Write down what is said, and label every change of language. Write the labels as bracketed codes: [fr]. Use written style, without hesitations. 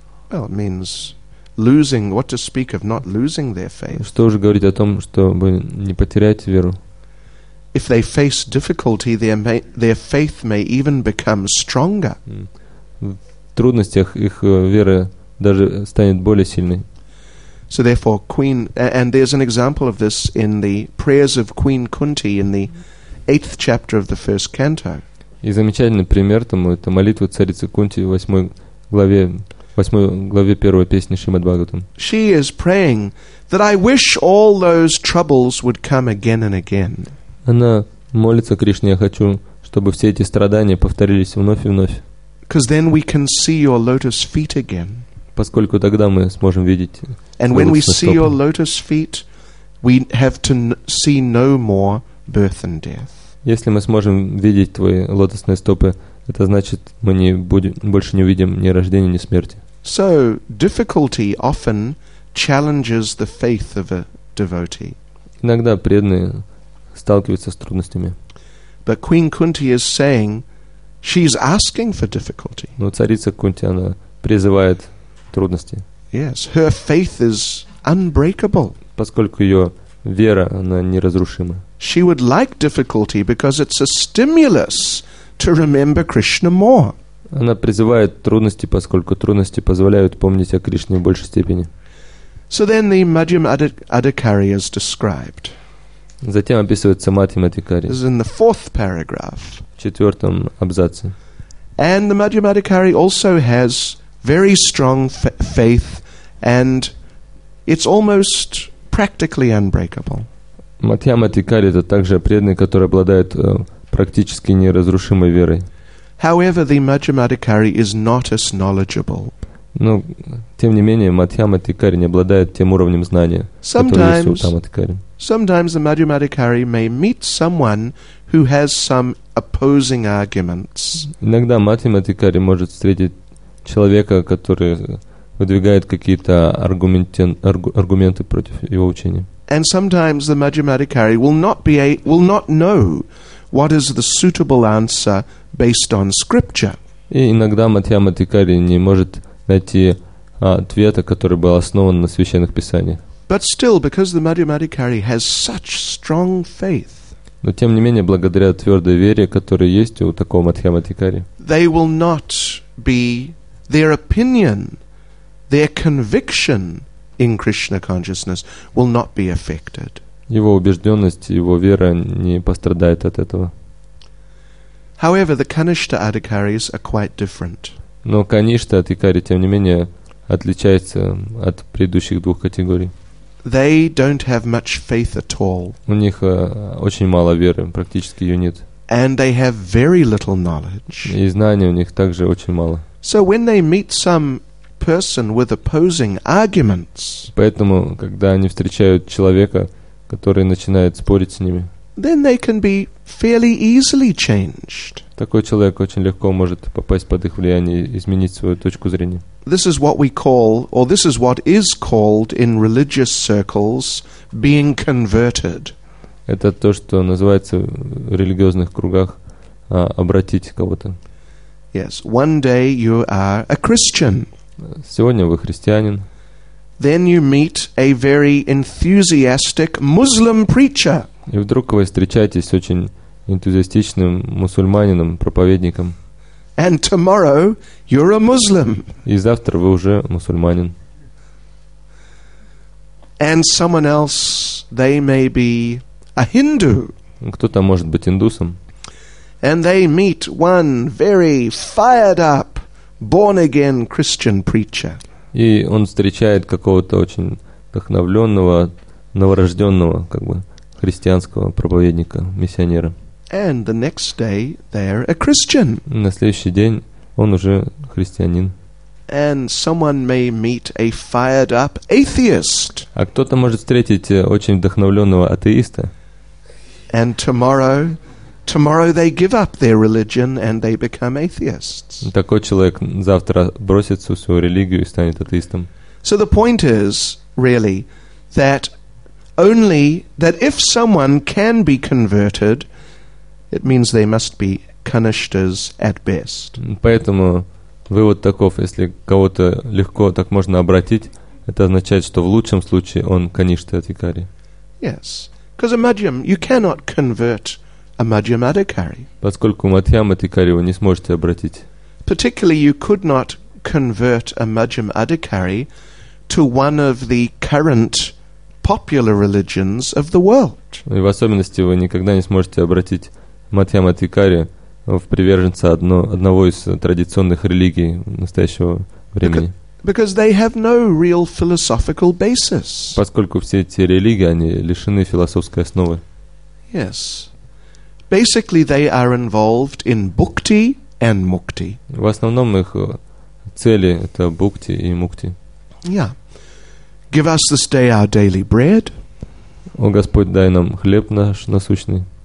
[en] Well, it means losing. What to speak of not losing their faith? [ru] Что уже говорить о том, чтобы не потерять веру? [en] If they face difficulty, their faith may even become stronger. [ru] В трудностях их вера даже станет более сильной. [en] So therefore, Queen, and there's an example of this in the prayers of Queen Kunti in the 8th chapter of the first canto. [ru] И замечательный пример тому это молитва царицы Кунти в восьмой главе первой песни Шримад-Бхагаватам. [en] She is praying that I wish all those troubles would come again and again. [ru] Она молится Кришне, я хочу, чтобы все эти страдания повторились вновь и вновь. [en] Because then we can see your lotus feet again. [ru] Поскольку тогда мы сможем видеть [en] And when we see your lotus feet, we have to see no more birth and death. [ru] Если мы сможем видеть твои лотосные стопы, это значит, мы не будем больше не увидим ни рождения, ни смерти. [en] So difficulty often challenges the faith of a devotee. [ru] Иногда преданные сталкиваются с трудностями. [en] But Queen Kunti is saying, she's asking for difficulty. [ru] Но царица Кунти она призывает трудности. [en] Yes, her faith is unbreakable. [ru] Поскольку ее вера, она неразрушима. [en] She would like difficulty because it's a stimulus to remember Krishna more. [ru] Она призывает трудности, поскольку трудности позволяют помнить о Кришне в большей степени. [en] So then the Madhyam Adhikari is described. [ru] Затем описывается Мадхьям Адхикари. [en] This is in the fourth paragraph. [ru] В четвертом абзаце. [en] And the Madhyam Adhikari also has very strong faith and it's almost practically unbreakable. [ru] Мадхьям Адхикари это также преданный, который обладает практически неразрушимой верой. [en] However, the Madhyam Adhikari is not as knowledgeable. [ru] Но тем не менее Мадхьям Адхикари не обладает тем уровнем знания, который есть у Уттама Адхикари. [en] Sometimes the Madhyam Adhikari may meet someone who has some opposing arguments. [ru] Иногда Мадхьям Адхикари может встретить человека, который выдвигает какие-то аргументы против его учения. [en] And sometimes the Madhyam Adhikari will not know what is the suitable answer based on scripture. [ru] И иногда Мадхьям Адхикари не может найти ответа, который был основан на священных писаниях. [en] But still, because the Madhyam Adhikari has such strong faith. [ru] Но тем не менее, благодаря твердой вере, которая есть у такого Мадхьям Адхикари. [en] They will not be Their opinion, their conviction in Krishna consciousness will not be affected. [ru] Его убежденность, его вера не пострадает от этого. [en] However, the Kanishta Adhikaris are quite different. [ru] Но Каништа Адхикари, тем не менее, отличается от предыдущих двух категорий. [en] They don't have much faith at all. [ru] У них очень мало веры, практически ее нет. [en] And they have very little knowledge. [ru] И знаний у них также очень мало. [en] So when they meet some person with opposing arguments, [ru] поэтому, когда они встречают человека, который начинает спорить с ними, [en] then they can be fairly easily changed. [ru] Такой человек очень легко может попасть под их влияние и изменить свою точку зрения. [en] This is what we call, or this is what is called in religious circles, being converted. [ru] Это то, что называется в религиозных кругах обратить кого-то. [en] Yes, one day you are a Christian. [ru] Сегодня вы христианин. [en] Then you meet a very enthusiastic Muslim preacher. [ru] И вдруг вы встречаетесь с очень энтузиастичным мусульманином, проповедником. [en] And tomorrow you're a Muslim. [ru] И завтра вы уже мусульманин. [en] And someone else, they may be a Hindu. [ru] Кто-то может быть индусом. [en] And they meet one very fired up, born again Christian preacher. [ru] И он встречает какого-то очень вдохновленного, новорожденного, как бы, христианского проповедника, миссионера. [en] And the next day they're a Christian. [ru] На следующий день он уже христианин. [en] And someone may meet a fired up atheist. [ru] А кто-то может встретить очень вдохновленного атеиста. [en] And tomorrow they give up their religion and they become atheists. [ru] Такой человек завтра бросит всю свою религию и станет атеистом. [en] So the point is really that only that if someone can be converted, it means they must be kanishtas at best. [ru] Поэтому вывод таков: если кого-то легко так можно обратить, это означает, что в лучшем случае он каништа адхикари. [en] Yes, because a madhyam you cannot convert a madhyam adhikari. [ru] Поскольку мадхьям адхикари вы не сможете обратить. [en] Particularly, you could not convert a madhyam adhikari to one of the current popular religions of the world. [ru] И в особенности вы никогда не сможете обратить мадхьяма адхикари в приверженца одного из традиционных религий настоящего времени. [en] Because they have no real philosophical basis. [ru] Поскольку все эти религии, они лишены философской основы. [en] Yes. Basically, they are involved in bhakti and mukti. [ru] В основном их цели это бхакти и мукти. [en] Yeah. Give us this day our daily bread. [ru] О Господь, дай нам хлеб наш насущный.